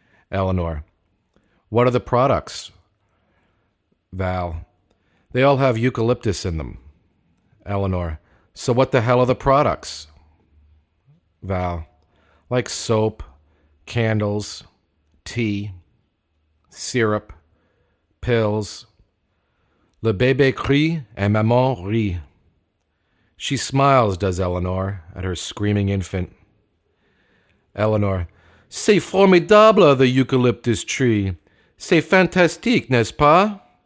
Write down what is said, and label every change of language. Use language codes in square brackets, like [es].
[en] Eleanor, what are the products? Val, they all have eucalyptus in them. Eleanor, so what the hell are the products? Val, like soap, candles, tea, syrup, pills. [fr] Le bébé crie et maman rit. [en] She smiles, does Eleanor, at her screaming infant. [fr] Eleanor, c'est formidable, [en] the eucalyptus tree. [fr] C'est fantastique, n'est-ce pas?